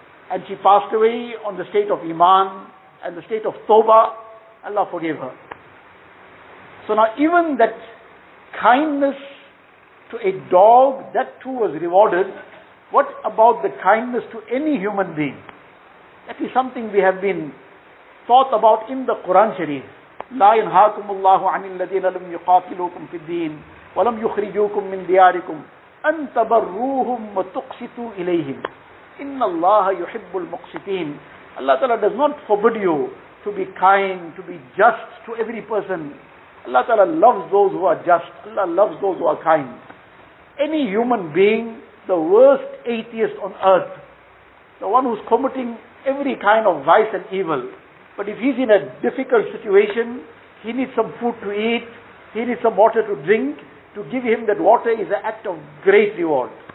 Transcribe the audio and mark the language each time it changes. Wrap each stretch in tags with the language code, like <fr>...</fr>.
<en>And she passed away on the state of iman and the state of tawbah. Allah forgave her. So now even that kindness to a dog, that too was rewarded. What about the kindness to any human being? That is something we have been taught about in the Quran Sharif.</en> <ar>لا ينهاكم الله عن الذين لم يقاتلوكم في الدين ولم يخرجوكم من دياركم أن تبروهم وتقسطوا إليهم. إِنَّ اللَّهَ يُحِبُّ الْمُقْسِطِينَ.</ar> <en>Allah Ta'ala does not forbid you to be kind, to be just to every person. Allah Ta'ala loves those who are just. Allah loves those who are kind. Any human being, the worst atheist on earth, the one who's committing every kind of vice and evil, but if he's in a difficult situation, he needs some food to eat, he needs some water to drink, to give him that water is an act of great reward.</en>